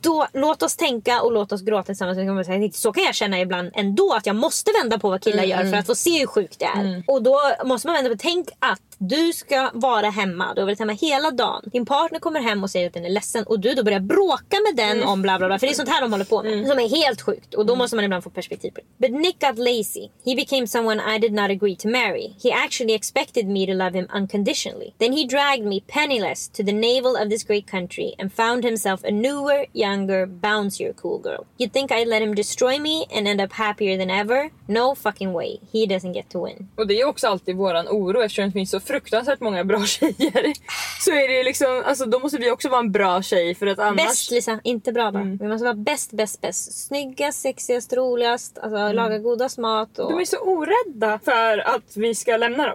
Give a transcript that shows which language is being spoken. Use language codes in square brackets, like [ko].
[sv] Då låt oss tänka och låt oss gråta tillsammans. Så kan jag känna ibland ändå att jag måste vända på vad killar gör för att få se hur sjukt det är. Mm. Och då måste man vända på, tänk att du ska vara hemma. Du har varit hemma hela dagen. Din partner kommer hem och säger att den är ledsen. Och du då börjar bråka med den om bla bla bla. För det är sånt här de håller på med. Som är helt sjukt. Och då måste man ibland få perspektiv på det. [en] But Nick got lazy. He became someone I did not agree to marry. He actually expected me to love him unconditionally. Then he dragged me penniless to the navel of this great country. And found himself a newer, younger, bouncier cool girl. You'd think I'd let him destroy me and end up happier than ever? No fucking way. He doesn't get to win. [sv] Och det är också alltid våran oro. Eftersom det finns så fruktansvärt många bra tjejer. Så är det liksom, alltså då måste vi också vara en bra tjej. För att annars... Bäst Lisa, inte bra bara. Vi måste vara bäst, bäst, bäst. Snyggast, sexigast, roligast. Alltså laga godast mat och... De är så orädda för att vi ska lämna dem.